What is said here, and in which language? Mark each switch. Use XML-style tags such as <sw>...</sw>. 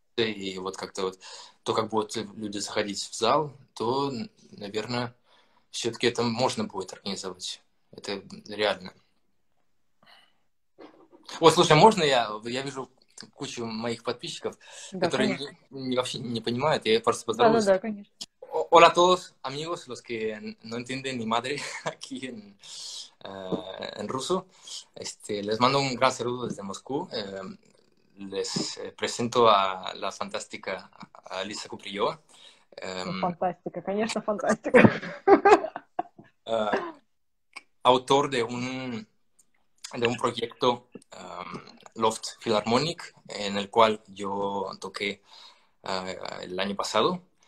<ru>дистанцией, и вот как-то вот то, как будут люди заходить в зал, то, наверное, все-таки это можно будет организовать. Это реально. О, слушай, можно я вижу кучу моих подписчиков, Да, которые конечно. вообще не понимают, я просто Да, поздороваюсь. конечно.</ru> <es>Hola a todos, amigos, los que no entienden ni madre aquí en ruso. Les mando un gran saludo desde Moscú. Les presento a la fantástica Alisa Kupriyova.</es> <ru>Фантастика, конечно, фантастика.</ru> <es>Autor de un proyecto Loft Philharmonic, en el cual yo toqué el año pasado.</es>